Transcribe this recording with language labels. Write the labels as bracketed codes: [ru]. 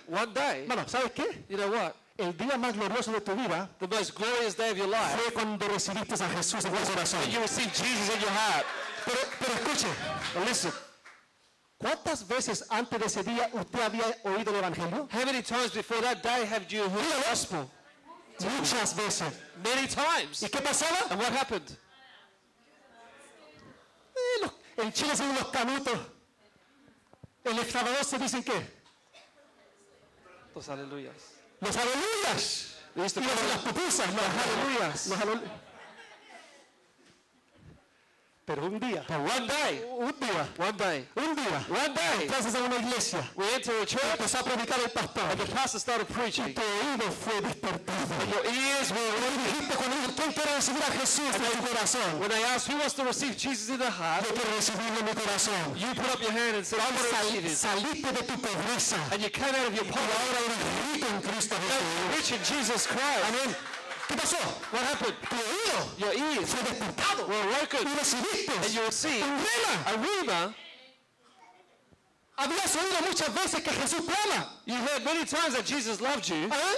[en] One day. [es] Mano, ¿sabes qué? [en] You know what? [es] El día más glorioso de tu vida. [en] The most glorious day of your life. [es] Fue cuando recibiste a Jesús en tu corazón. [en] When you received Jesus in your heart. [es] Pero escuche. [en] But listen. [es] ¿Cuántas veces antes de ese día usted había oído el evangelio? [en] How many times before that day have you heard the gospel? [es] Muchas veces. [en] Many times. [es] ¿Y qué pasaba? [en] And what happened? [es] En Chile se dicen los canutos. En Ecuador se dicen qué? Los aleluyas. Los aleluyas. Y los de las pupusas. Los aleluyas. Pero un día. [en] But one day. [es] Un día. [en] One day. [es] Un día. [en] One day. [es] Entonces en una iglesia. [en] We enter a church. [es] Empezó a predicar el pastor. [en] And the pastor started preaching. [es] Y tu oído fue despertado. [en] And your ears were awakened. When they asked who wants to receive Jesus in their heart. You put up your hand and said, I'm going to [es] saliste de tu pobreza. [en] And you came out of your poverty. [es] Ahora eres rico en Cristo Jesús. [en] Rich in Jesus Christ. [es] Amen. ¿Qué pasó? [en] What happened? [es] Tu oído. [en] Your ears. [es] Fue despertado. [en] Were awakened. [es] Y recibiste. [en] And you received. [es] Un rema. [en] A rema. [es] Habías oído muchas veces que Jesús te ama. [en] You heard many times that Jesus loved you.